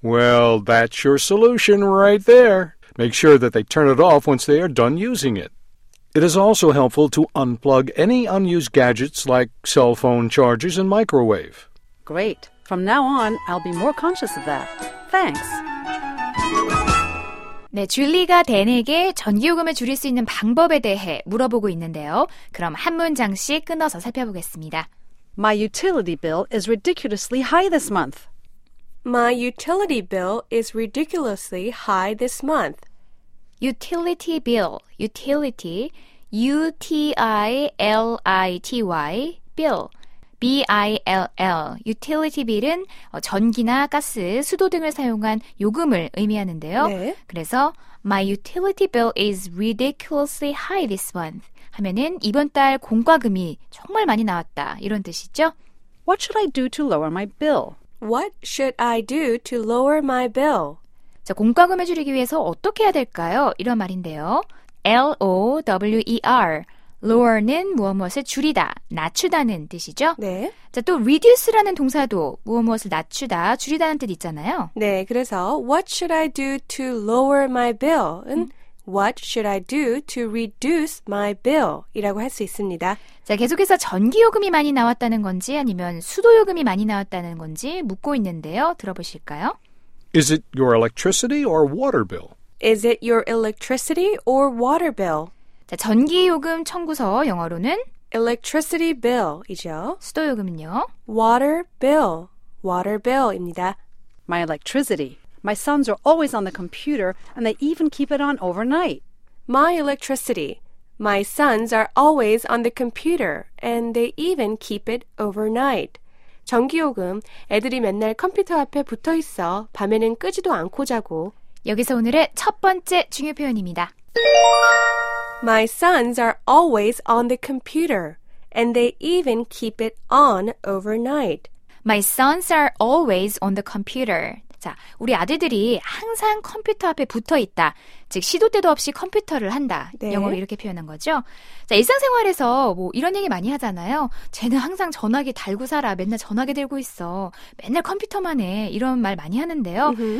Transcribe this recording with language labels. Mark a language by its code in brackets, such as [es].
[en] Well, that's your solution right there. Make sure that they turn it off once they are done using it. It is also helpful to unplug any unused gadgets like cell phone chargers and microwave. Great. From now on, I'll be more conscious of that. Thanks. [ko] 네, 줄리가 댄에게 전기요금을 줄일 수 있는 방법에 대해 물어보고 있는데요. 그럼 한 문장씩 끊어서 살펴보겠습니다. [en] My utility bill is ridiculously high this month. My utility bill is ridiculously high this month. Utility bill, utility, U-T-I-L-I-T-Y, bill. [ko] B-I-L-L, utility bill은 전기나 가스, 수도 등을 사용한 요금을 의미하는데요. 네. 그래서 [en] My utility bill is ridiculously high this month [ko] 하면은 이번 달 공과금이 정말 많이 나왔다 이런 뜻이죠. [en] What should I do to lower my bill? What should I do to lower my bill? [ko] 자, 공과금을 줄이기 위해서 어떻게 해야 될까요? 이런 말인데요. L-O-W-E-R Lower는 무엇무엇을 줄이다, 낮추다는 뜻이죠? 네. 자, 또 reduce라는 동사도 무엇무엇을 낮추다, 줄이다는 뜻 있잖아요. 네, 그래서 [en] What should I do to lower my bill? 은 What should I do to reduce my bill? [ko] 이라고 할 수 있습니다. 자, 계속해서 전기요금이 많이 나왔다는 건지 아니면 수도요금이 많이 나왔다는 건지 묻고 있는데요. 들어보실까요? [en] Is it your electricity or water bill? Is it your electricity or water bill? [ko] 자, 전기요금 청구서 영어로는 [en] electricity bill이죠. [ko] 수도요금은요? [en] water bill, water bill입니다. My electricity. My sons are always on the computer and they even keep it on overnight. My electricity. My sons are always on the computer and they even keep it overnight. [ko] 전기요금, 애들이 맨날 컴퓨터 앞에 붙어 있어 밤에는 끄지도 않고 자고. 여기서 오늘의 첫 번째 중요 표현입니다. [en] My sons are always on the computer, and they even keep it on overnight. My sons are always on the computer. [ko] 자, 우리 아들들이 항상 컴퓨터 앞에 붙어 있다. 즉 시도 때도 없이 컴퓨터를 한다. 네. 영어로 이렇게 표현한 거죠. 자, 일상생활에서 뭐 이런 얘기 많이 하잖아요. 쟤는 항상 전화기 달고 살아. 맨날 전화기 들고 있어. 맨날 컴퓨터만 해. 이런 말 많이 하는데요.